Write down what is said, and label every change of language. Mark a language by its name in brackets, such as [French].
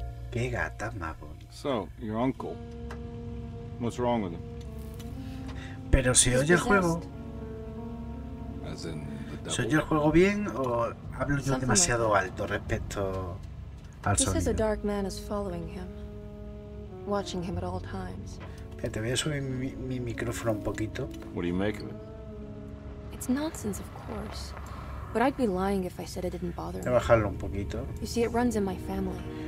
[Spanish] Qué gata, mago. [English] So, your uncle. What's wrong with him? [Spanish] Pero si oye el juego. ¿Se oye el juego bien o hablo yo demasiado alto respecto al sonido? [English] He says a dark man is following him, watching him at all times. [Spanish] Te voy a subir mi micrófono un poquito. [English] What do you make of it? It's nonsense, of course. But I'd be lying if I said it didn't bother me. [Spanish] Bajarlo un poquito. [English] You see, it runs in my family.